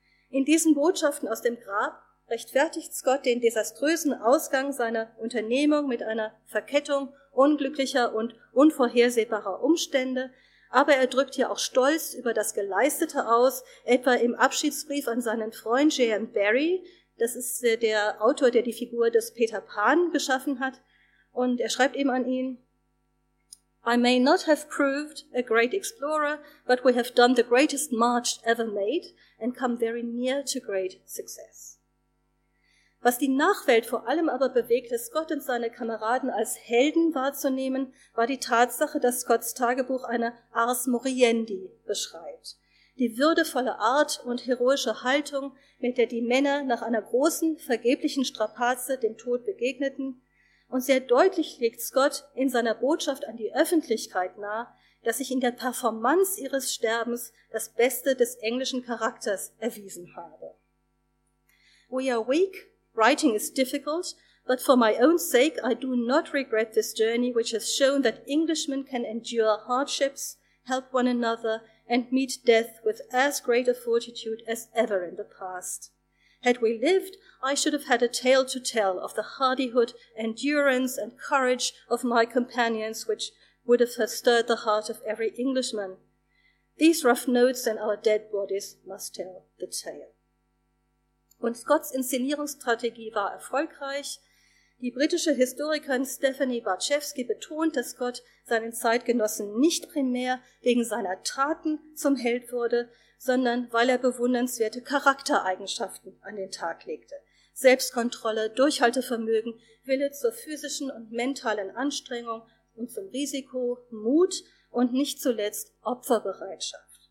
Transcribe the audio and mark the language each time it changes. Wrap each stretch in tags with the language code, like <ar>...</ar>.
<de>In diesen Botschaften aus dem Grab rechtfertigt Scott den desaströsen Ausgang seiner Unternehmung mit einer Verkettung unglücklicher und unvorhersehbarer Umstände. Aber er drückt ja auch Stolz über das Geleistete aus, etwa im Abschiedsbrief an seinen Freund J.M. Barrie. Das ist der Autor, der die Figur des Peter Pan geschaffen hat. Und er schreibt eben an ihn,</de> <en>I may not have proved a great explorer, but we have done the greatest march ever made and come very near to great success.</en> <de>Was die Nachwelt vor allem aber bewegte, Scott und seine Kameraden als Helden wahrzunehmen, war die Tatsache, dass Scotts Tagebuch eine Ars Moriendi beschreibt. Die würdevolle Art und heroische Haltung, mit der die Männer nach einer großen, vergeblichen Strapaze dem Tod begegneten. Und sehr deutlich legt Scott in seiner Botschaft an die Öffentlichkeit nahe, dass ich in der Performance ihres Sterbens das Beste des englischen Charakters erwiesen habe.</de> <en>We are weak, writing is difficult, but for my own sake I do not regret this journey which has shown that Englishmen can endure hardships, help one another and meet death with as great a fortitude as ever in the past. Had we lived, I should have had a tale to tell of the hardihood, endurance and courage of my companions which would have stirred the heart of every Englishman. These rough notes and our dead bodies must tell the tale.</en> <de>Und Scotts Inszenierungsstrategie war erfolgreich. Die britische Historikerin Stephanie Barchewski betont, dass Scott seinen Zeitgenossen nicht primär wegen seiner Taten zum Held wurde, sondern weil er bewundernswerte Charaktereigenschaften an den Tag legte. Selbstkontrolle, Durchhaltevermögen, Wille zur physischen und mentalen Anstrengung und zum Risiko, Mut und nicht zuletzt Opferbereitschaft.</de>